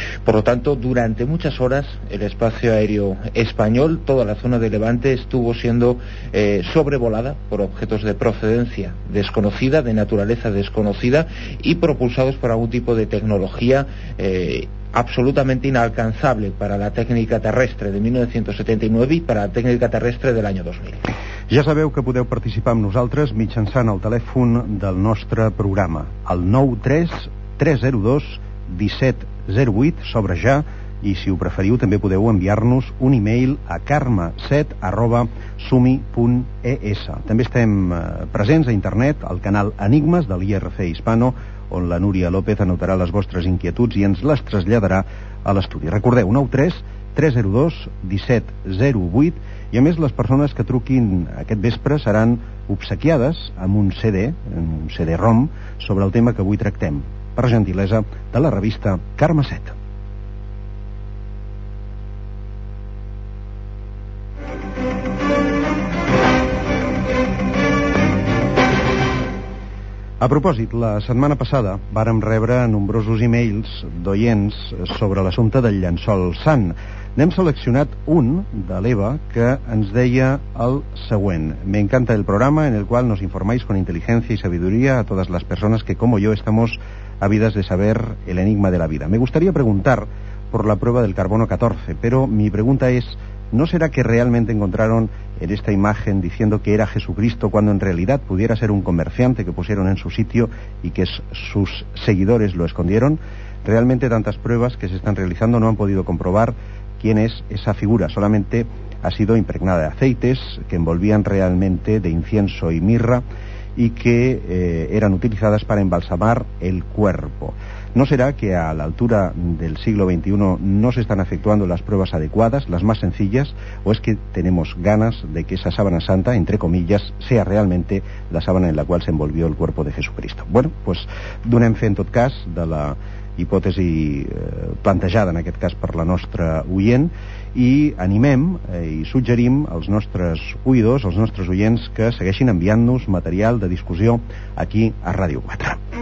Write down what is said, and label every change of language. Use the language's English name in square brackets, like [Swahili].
[Spanish] Por lo tanto, durante muchas horas el espacio aéreo español, toda la zona de Levante, estuvo siendo sobrevolada por objetos de procedencia desconocida, de naturaleza desconocida, y propulsados por algún tipo de tecnología absolutamente inalcanzable para la técnica terrestre de 1979 y para la técnica terrestre del año 2000. [Catalan] Ja sabeu que podeu participar amb nosaltres mitjançant el telèfon del nostre programa, el 93-302-1708, s'obre ja, i si ho preferiu també podeu enviar-nos un e-mail a carme7@sumi.es. També estem presents a internet al canal Enigmes de l'IRC Hispano, on la Núria López anotarà les vostres inquietuds i ens les traslladarà a l'estudi. Recordeu, 93-302-1708, i a més les persones que truquin aquest vespre seran obsequiades amb un CD, un CD-ROM, sobre el tema que avui tractem, per gentilesa de la revista Carme 7. A propòsit, la setmana passada vàrem rebre nombrosos e-mails d'oients sobre l'assumpte del llençol sant. N'hem seleccionat un de l'Eva que ens deia el següent: [Spanish] me encanta el programa en el cual nos informáis con inteligencia y sabiduría a todas las personas que como yo estamos ávidas de saber el enigma de la vida. Me gustaría preguntar por la prueba del carbono 14, pero mi pregunta es, ¿no será que realmente encontraron en esta imagen diciendo que era Jesucristo cuando en realidad pudiera ser un comerciante que pusieron en su sitio y que sus seguidores lo escondieron? Realmente tantas pruebas que se están realizando no han podido comprobar quién es esa figura, solamente ha sido impregnada de aceites que envolvían realmente de incienso y mirra y que eran utilizadas para embalsamar el cuerpo. ¿No será que a la altura del siglo XXI no se están efectuando las pruebas adecuadas, las más sencillas, o es que tenemos ganas de que esa sábana santa, entre comillas, sea realmente la sábana en la cual se envolvió el cuerpo de Jesucristo? [Catalan] Bueno, pues donem fe en tot cas de la hipòtesi plantejada en aquest cas per la nostra oient, i animem i suggerim als nostres oïdors, als nostres oients, que segueixin enviant-nos material de discussió aquí a Ràdio 4.